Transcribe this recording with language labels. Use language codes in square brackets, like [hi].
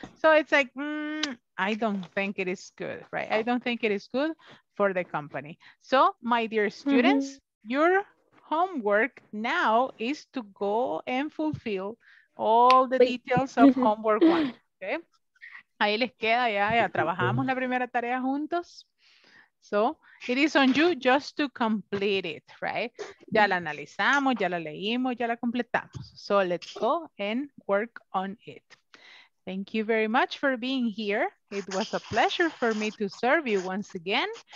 [en] So it's like, I don't think it is good, right? I don't think it is good for the company. So my dear students, your homework now is to go and fulfill all the details of homework one, okay? [es] Ahí les queda ya, ya trabajamos la primera tarea juntos. [en] So it is on you just to complete it, right? [es] Ya la analizamos, ya la leímos, ya la completamos. [en] So let's go and work on it. Thank you very much for being here. It was a pleasure for me to serve you once again.